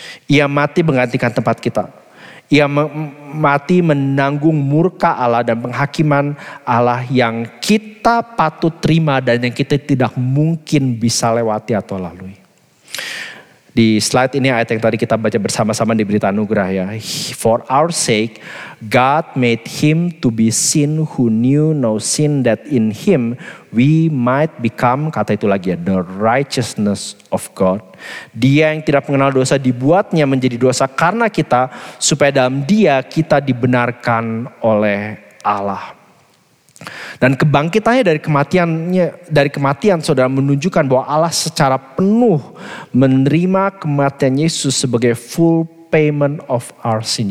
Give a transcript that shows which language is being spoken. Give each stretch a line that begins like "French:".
Indonesian: Ia mati menggantikan tempat kita. Ia mati menanggung murka Allah dan penghakiman Allah yang kita patut terima dan yang kita tidak mungkin bisa lewati atau lalui. Di slide ini ayat yang tadi kita baca bersama-sama di Berita Anugerah ya.
English: For our sake, God made him to be sin who knew no sin, that in him we might become,
Indonesian: kata itu lagi ya,
English: the righteousness of God.
Indonesian: Dia yang tidak mengenal dosa dibuatnya menjadi dosa karena kita, supaya dalam dia kita dibenarkan oleh Allah. Dan kebangkitannya dari kematian saudara menunjukkan bahwa Allah secara penuh menerima kematian Yesus sebagai
English: full payment of our sin.